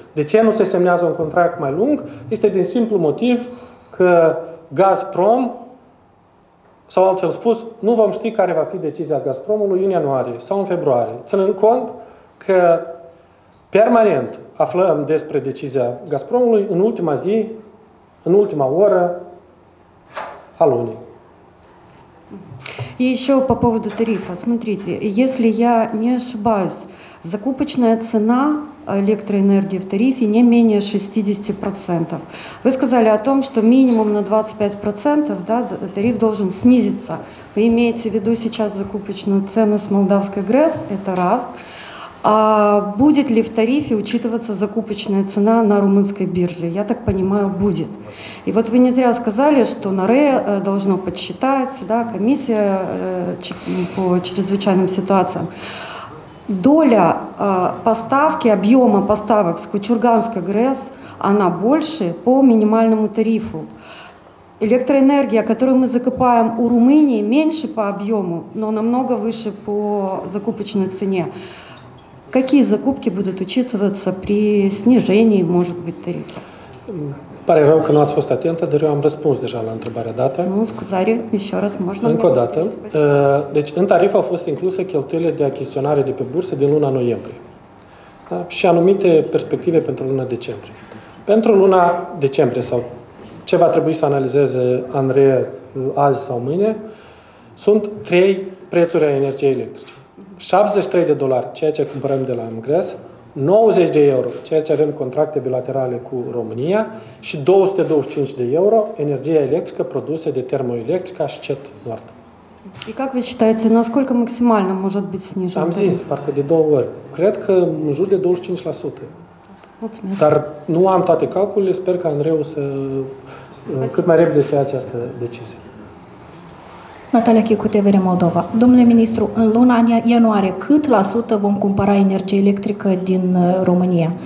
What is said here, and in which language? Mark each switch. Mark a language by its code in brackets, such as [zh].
[ro] De ce nu se semnează un contract mai lung? Este din simplu motiv că Gazprom, sau altfel spus, nu vom ști care va fi decizia Gazpromului în ianuarie sau în februarie, ținând cont că permanent aflăm despre decizia Gazpromului în ultima zi, în ultima oră a lunii. [ru] И еще по поводу тарифа. Смотрите, если я не ошибаюсь, закупочная цена электроэнергии в тарифе не менее 60%. Вы сказали о том, что минимум на 25%, да, тариф должен снизиться. Вы имеете в виду сейчас закупочную цену с Молдавской ГРЭС? Это раз. А будет ли в тарифе учитываться закупочная цена на румынской бирже? Я так понимаю, будет. И вот вы не зря сказали, что НАРЭ должно подсчитать, да, комиссия по чрезвычайным ситуациям. доля поставки, объема поставок с Кучурганской ГРЭС, она больше по минимальному тарифу. Электроэнергия, которую мы закупаем у Румынии, меньше по объему, но намного выше по закупочной цене. Какие закупки будут учитываться при снижении, может быть, тарифа? [ro] Pare rău că nu ați fost atentă, dar eu am răspuns deja la întrebarea dată. Nu, scuzare, încă o dată. Deci, în tarif au fost incluse cheltuielile de achiziționare de pe bursă din luna noiembrie. Da? Și anumite perspective pentru luna decembrie. Pentru luna decembrie, sau ce va trebui să analizeze Andreea azi sau mâine, sunt trei prețuri a energiei electrice. 73 de dolari, ceea ce cumpărăm de la MGRES, 90 de euro, ceea ce avem contracte bilaterale cu România, și 225 de euro, energia electrică produsă de termoelectrica și CET Nord. [ru] И как вы считаете, насколько максимально может быть снижен? [ro] Am zis, parcă de două ori. Cred că în jur de 25%. Mulțumesc. Dar nu am toate calculele, sper că Andreu să cât mai repede să ia această decizie. Natalia Chicu, TV Moldova. Domnule ministru, în luna ianuarie, cât la sută vom cumpăra energie electrică din România?